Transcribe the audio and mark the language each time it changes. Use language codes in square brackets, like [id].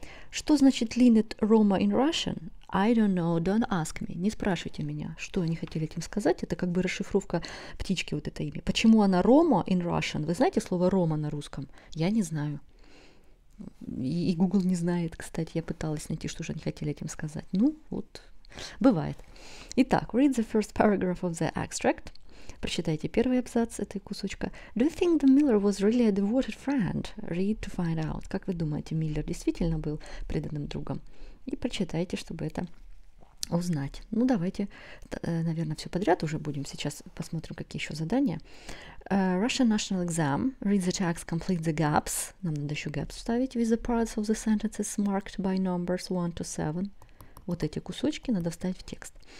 [ru] Что значит [en] «Linnet Roma» in Russian? I don't know, don't ask me. [ru] Не спрашивайте меня, что они хотели этим сказать. Это как бы расшифровка птички, вот это имя. Почему она «Roma» [en] in Russian? [ru] Вы знаете слово «Roma» на русском? Я не знаю. И Google не знает, кстати, я пыталась найти, что же они хотели этим сказать. Ну, вот, бывает. [en] Итак, read the first paragraph of the extract. [ru] Прочитайте первый абзац этой кусочка. [en] Do you think the Miller was really a devoted friend? Read to find out. [ru] Как вы думаете, Миллер действительно был преданным другом? И прочитайте, чтобы это узнать. Ну, давайте, наверное, все подряд уже будем. Сейчас посмотрим, какие еще задания. [en] Russian National Exam. Read the text, complete the gaps. [ru] Нам надо еще gaps вставить. [en] With the parts of the sentences marked by numbers 1 to 7. [ru] Вот эти кусочки надо вставить в текст.